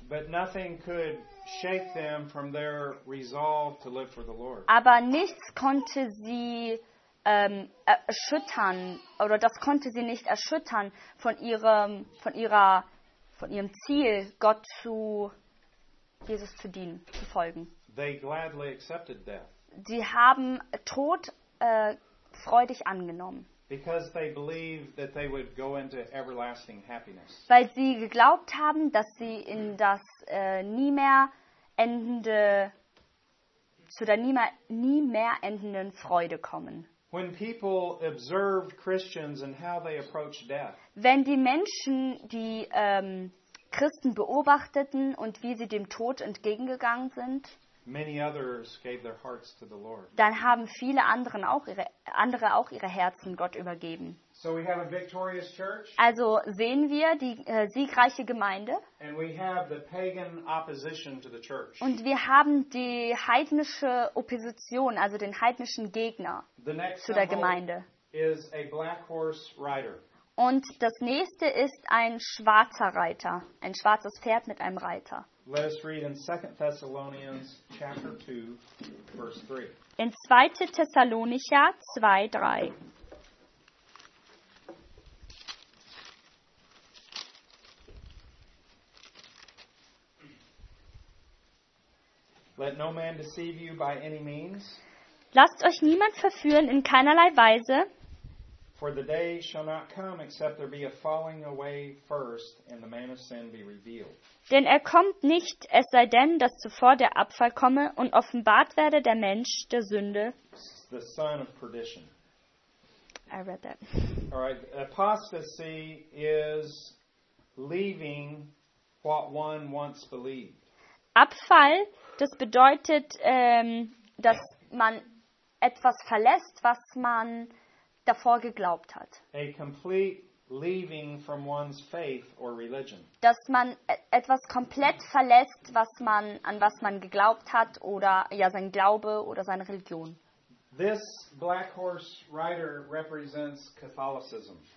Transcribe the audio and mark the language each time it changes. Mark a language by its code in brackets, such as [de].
[en] But nothing could shake them from their resolve to live for the Lord. [de] Aber nichts konnte sie erschüttern, oder das konnte sie nicht erschüttern, von ihrem Ziel, Gott zu Jesus zu dienen, zu folgen. [en] They gladly accepted death. [de] Sie haben Tod freudig angenommen. [en] Because they believed that they would go into everlasting happiness. [de] Weil sie geglaubt haben, dass sie in das nie mehr endenden Freude kommen. [en] When people observed Christians and how they approached death. [de] Wenn die Menschen die Christen beobachteten und wie sie dem Tod entgegengegangen sind. [en] Many others gave their hearts to the Lord. [de] Dann haben viele andere auch ihre Herzen Gott übergeben. [en] So we have a victorious church. [de] Also sehen wir die siegreiche Gemeinde. [en] And we have the pagan opposition to the church. [de] Und wir haben die heidnische Opposition, also den heidnischen Gegner zu der Gemeinde. [en] Is a black horse rider. [de] Und das nächste ist ein schwarzer Reiter, ein schwarzes Pferd mit einem Reiter. [en] Let us read in 2 Thessalonians chapter 2, verse 3. [de] In 2. Thessalonicher 2, 3. [en] Let no man deceive you by any means. [de] Lasst euch niemand verführen in keinerlei Weise. [en] For the day shall not come except there be a falling away first and the man of sin be revealed. [de] Denn er kommt nicht, es sei denn, dass zuvor der Abfall komme und offenbart werde der Mensch der Sünde. [en] The son of perdition. I read that. All right. Apostasy is leaving what one once believed. [de] Abfall, das bedeutet, dass man etwas verlässt, was man davor geglaubt hat. [en] A complete leaving from one's faith or religion. [de] Dass man etwas komplett verlässt, was man, an was man geglaubt hat, oder ja, sein Glaube oder seine Religion. [en] This black horse rider represents Catholicism.